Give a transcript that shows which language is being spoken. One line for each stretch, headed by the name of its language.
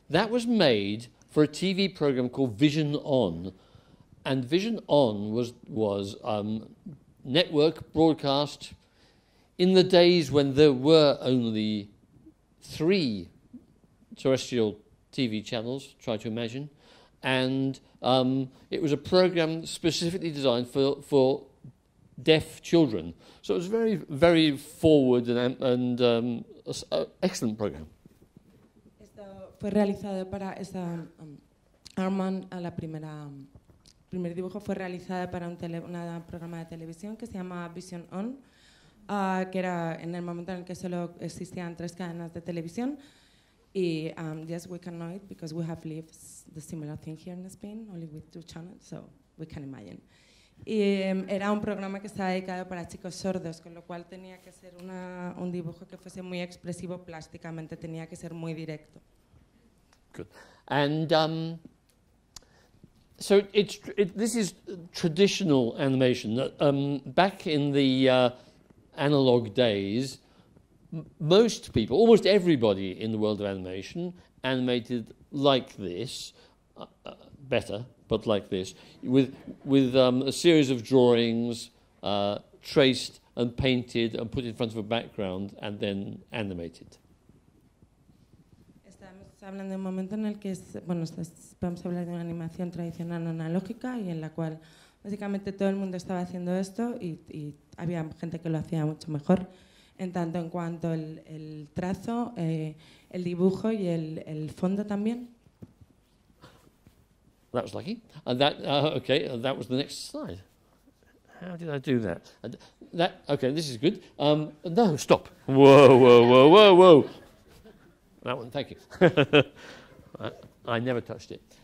English: That was made for a TV program called Vision On, and Vision On was network broadcast in the days when there were only three terrestrial TV channels. Try to imagine. And it was a program specifically designed for deaf children. So it was very, very forward and excellent program.
Spanish: Esto fue realizado para esa Aardman, la primera primer dibujo fue realizada para un programa de televisión que se llama Vision On, que era en el momento en el que solo existían tres cadenas de televisión.
English: Y yes, we can know it because we have lived the similar thing here in Spain, only with two channels, so we can imagine.
Spanish: Y era un programa que estaba dedicado para chicos sordos, con lo cual tenía que ser un dibujo que fuese muy expresivo plásticamente, tenía que ser muy directo.
English: Good. And so this is traditional animation. Back in the analog days, most people, almost everybody in the world of animation, animated like this, better, but like this, with a series of drawings, traced and painted and put in front of a background and then animated.
Spanish: Hablando de un momento en el que es, bueno, vamos a hablar de una animación tradicional analógica y en la cual básicamente todo el mundo estaba haciendo esto y había gente que lo hacía mucho mejor en tanto en cuanto el trazo, el dibujo y el fondo también.
English: That was lucky. And that, okay, that was the next slide. How did I do that? That, okay, this is good. No, stop. Whoa, whoa, whoa, whoa, whoa. That one, thank you. I never touched it.